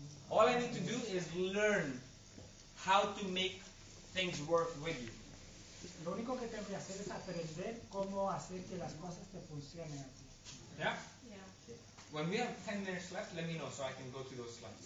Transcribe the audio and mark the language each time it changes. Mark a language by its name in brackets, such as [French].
[English] All I need to do is learn how to make things work with you. [Spanish] Lo único que tengo que hacer es aprender cómo hacer que las cosas te funcionen. [English] Yeah? When we have 10 minutes left, let me know so I can go to those slides.